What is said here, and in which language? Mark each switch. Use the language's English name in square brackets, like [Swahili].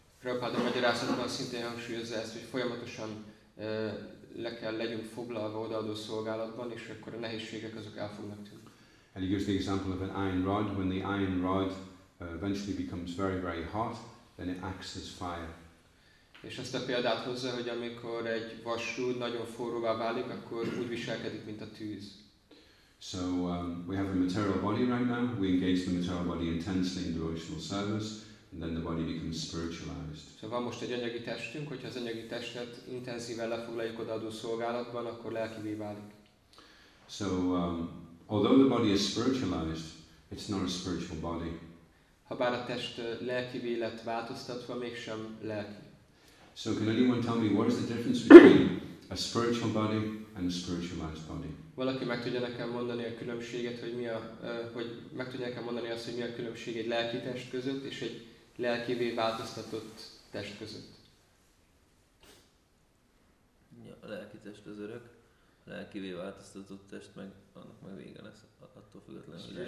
[Hungarian] Prabhupada magyarázatban szintén hangsúlyozza ezt, hogy folyamatosan le kell legyünk foglalva odaadó szolgálatban, és akkor a nehézségek azok el fognak tűnni. [English] And he gives the example of an iron rod. When the iron rod eventually becomes very, very hot, then it acts as fire. [Hungarian] És azt a példát hozza, hogy amikor egy vasrúd nagyon forróvá válik, akkor úgy viselkedik, mint a tűz. [English] So we have a material body right now. We engage the material body intensely in devotional service. And then the body becomes spiritualized. [Hungarian] So van most egy anyagi testünk, hogyha az anyagi testet intenzíven lefoglaljuk odaadó szolgálatban, akkor lelkivé válik. [English] So although the body is spiritualized, it's not a spiritual body. [Hungarian] Habár a test lelkivé lett változtatva, mégsem lelki. [English] So can anyone tell me what is the difference between a spiritual body and a spiritualized body? [Hungarian] Valaki meg tudja nekem mondani a különbséget, hogy mi a, hogy meg tudja nekem mondani azt, hogy mi a különbség egy lelki test között és egy lelkivé változtatott test között? Ja, a lelki test az örök, a lelkivé változtatott test meg annak meg vége lesz, attól függetlenül.